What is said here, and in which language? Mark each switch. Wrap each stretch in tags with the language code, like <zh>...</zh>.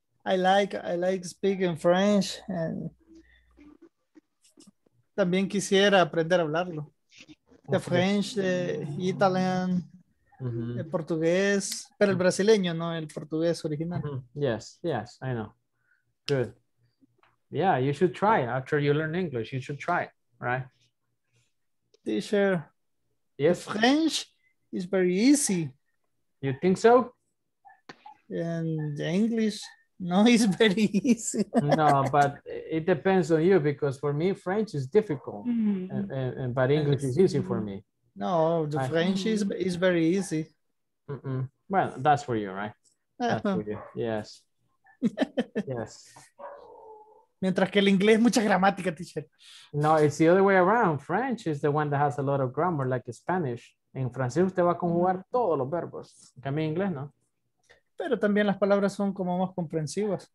<en>I like speaking French. And</en> <es>también quisiera aprender a hablarlo.</es> <en>The French, the Italian, Mm-hmm.</en> <es>El portugués, pero el brasileño, no el portugués original. Mm-hmm.</es> <en>Yes, yes, I know. Good. Yeah, you should try it after you learn English. You should try it, right? Teacher. Yes. French is very easy. You think so? And English, no, it's very easy. No, but it depends on you, because for me, French is difficult, mm-hmm. and but English is easy for me. No, the French is very easy. Mm-mm. Well, that's for you, right? That's for you. Yes. Yes.</en> <es>Mientras que el inglés mucha gramática, teacher.</es> <en>No, it's the other way around. French is the one that has a lot of grammar, like Spanish.</en> <es>En francés usted va a conjugar todos los verbos. En cambio, en inglés, ¿no? Pero también las palabras son como más comprensivas.</es>